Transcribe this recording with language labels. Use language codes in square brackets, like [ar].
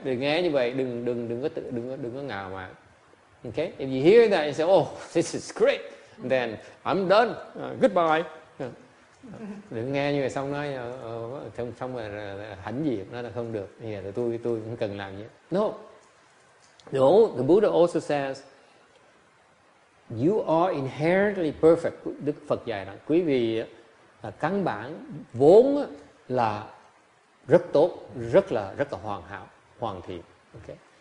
[vi] Đừng nghe như vậy, đừng có ngào mà. Okay? [en] If you hear that, you say, oh, this is great. Then I'm done. Goodbye. [vi] Đừng nghe như vậy xong nói xong rồi hãnh diện nó là không được, thì là tôi cũng cần làm như vậy. [en] No, the Buddha also says you are inherently perfect. [vi] Đức Phật dạy rằng quý vị là căn bản vốn là rất tốt, rất là hoàn hảo, hoàn thiện. Okay.